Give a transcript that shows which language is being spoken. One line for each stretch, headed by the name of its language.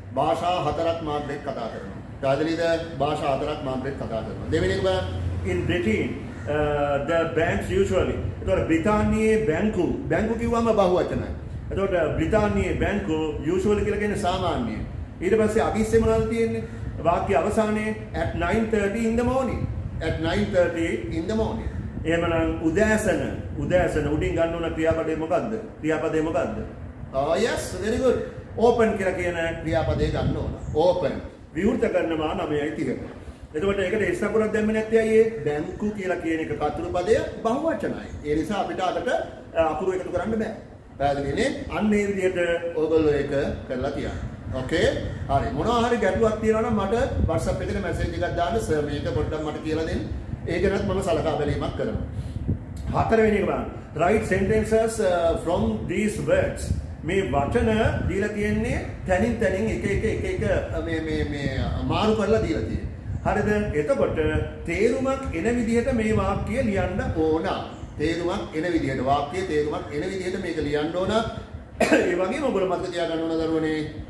Sinhala: භාෂා හතරක් මාත්‍රෙත් කතා කරනවා. පැහැදිලිද? භාෂා හතරක් මාත්‍රෙත් කතා කරනවා. දෙවෙනි එක
English: in Britain the banks usually
Sinhala: එතකොට බ්‍රිතාන්‍යයේ බැංකු බැංකු කිව්වම බහුවචනයි. එතකොට බ්‍රිතාන්‍යයේ බැංකු usually කියලා කියන්නේ සාමාන්‍ය. ඊට පස්සේ අපිස්සෙ මොනවද තියෙන්නේ? වාක්‍ය අවසානයේ
English: at 9:30 in the morning. At 9:30 in the morning.
Sinhala: එහෙමනම් උදෑසන උදෑසන උඩින් ගන්න ඕන ක්‍රියාපදේ මොකද්ද? ක්‍රියාපදේ මොකද්ද?
English: Yes, very good.
Sinhala: Open කියලා කියන ක්‍රියාපදේ ගන්න ඕන. Open. විවෘත කරනවා 9:30. එතකොට ඒකට ඉස්සකුණක් දැම්ම නැත්තේ ඇයි ඒ? බැංකු කියලා කියන එක කතෘපදය බහුවචනයි. ඒ නිසා අපිට අදට අකුරු එකතු කරන්න බෑ. පැහැදිලිනේ? අන්න ඒ විදිහට ඕගොල්ලෝ ඒක කරලා තියන්න. ඔකේ. හරි. මොනවා හරි ගැටුවක් තියෙනවා නම් මට WhatsApp එකේ මැසේජ් එකක් දාන්න සර් මේක පොඩ්ඩක් මට කියලා දෙන්න. ඒකෙනත් මම සලකා බැලීමක් කරනවා. හතරවෙනි එක බලන්න.
English: Write sentences from these words.
Sinhala: මේ වචන දීලා තියෙන්නේ තනින් තනින් එක එක එක එක මේ මේ මේ මාරු කරලා දීලා තියෙන්නේ. හරිද? එතකොට තේරුමක් එන විදිහට මේ වාක්‍ය ලියන්න ඕන. තේරුමක් එන විදිහට වාක්‍යයේ තේරුමක් එන විදිහට මේක ලියන්න ඕන. ඒ වගේම ඔයගොල්ලෝ මතක තියාගන්න ඕන දරුවනේ